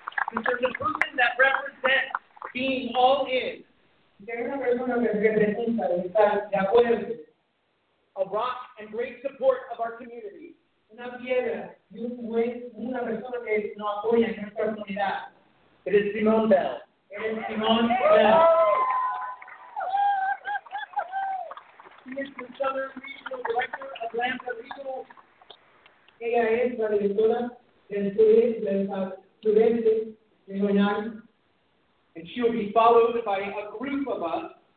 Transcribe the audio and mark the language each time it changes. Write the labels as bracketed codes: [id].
[en] This is a movement that represents being all-in. [es] Es una persona que representa estar de acuerdo. [en] A rock and great support of our community. [es] Una piedra y un buen, una persona que nos apoya en nuestra comunidad. [en] It is Simone Bell. It is Simone Bell. She is the Southern Regional Director of Lambda Regional. [es] Ella es la directora del sureste de Goñar. [en] And she will be followed by a group of us.